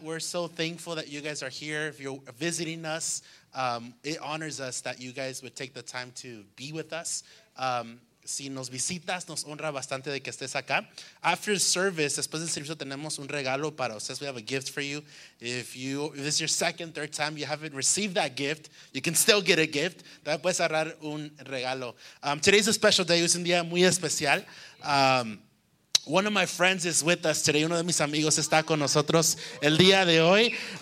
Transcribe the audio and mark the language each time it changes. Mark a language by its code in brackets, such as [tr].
[en] We're so thankful that you guys are here. If you're visiting us, it honors us that you guys would take the time to be with us. [es] Si nos visitas, nos honra bastante de que estés acá. [en] After service, [es] después del servicio, tenemos un regalo para ustedes. [en] We have a gift for you. If this is your second, third time, you haven't received that gift, you can still get a gift. [es] También puedes agarrar un regalo. [en] Today's a special day. [es] Es un día muy especial. [en] One of my friends is with us today. [es] Uno de mis amigos está con nosotros el día de hoy.